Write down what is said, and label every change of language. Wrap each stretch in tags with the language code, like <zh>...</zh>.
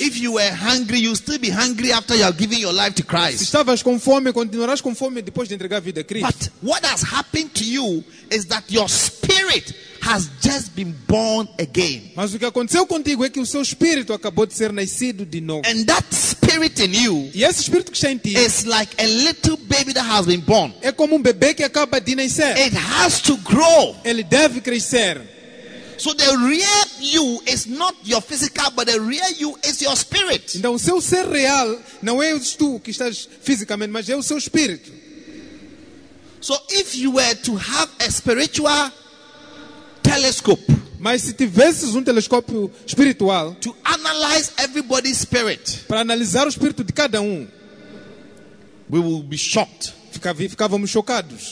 <en>If you were hungry, you still be hungry after you have given your life to Christ.</en> <pt>Se estavas com fome, continuarás com fome depois de entregar a vida a Cristo.</pt> <en>But what has happened to you is that your spirit has just been born again.</en> <pt>Mas o que aconteceu contigo é que o seu espírito acabou de ser nascido de novo.</pt> <en>And that spirit in you,</en> <pt>e esse espírito que está em ti,</pt> <en>is like a little baby that has been born.</en> <pt>É como bebê que acaba de nascer.</pt> <en>It has to grow.</en> <pt>Ele deve crescer.</pt> <en>So the real you is not your physical, but the real you is your spirit.</en> <pt>Então o seu ser real não é tu que estás fisicamente, mas é o seu espírito.</pt> <en>So if you were to have a spiritual telescope.</en> <pt>Mas se tivesses telescópio espiritual,</pt> <en>to analyze everybody's spirit,</en> <pt>para analisar o espírito de cada</pt> <en>we will be shocked.</en> <pt>Ficávamos chocados.</pt>